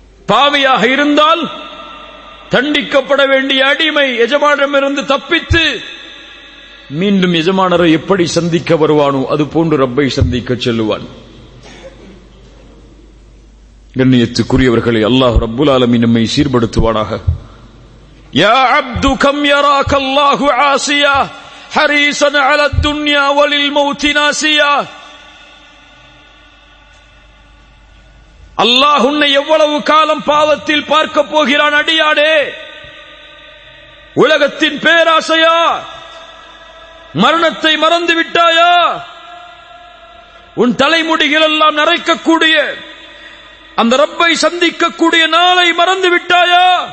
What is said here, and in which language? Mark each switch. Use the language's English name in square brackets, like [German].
[Tamil] பாவியாக இருந்தால் தண்டிக்கப்பட வேண்டிய அடிமை எஜமானரிடமிருந்து தப்பித்து மீண்டும் எஜமானரை எப்படி சந்திக்க வருவானோ அதுபோன்று ரப்பை சந்திக்க செல்லுவான். கண்ணியத்துக்குரியவர்களை, அல்லாஹ் ரப்புல் ஆலமீன் நம்மை சீர்படுத்துவானாக. [Arabic] يا عبد كم يراك الله عاصيا حريصا على الدنيا وللموت ناسيا [Tamil] அல்லாஹ் உன்னை எவ்வளவு காலம் பாவத்தில் பார்க்கப் போகிறான் அடியாடே? உலகத்தின் பேராசையா? மரணத்தை மறந்து விட்டாயா? உன் தலைமுடிகள் எல்லாம் நரைக்கக்கூடிய அந்த ரப்பை சந்திக்கக்கூடிய நாளை மறந்து விட்டாயா?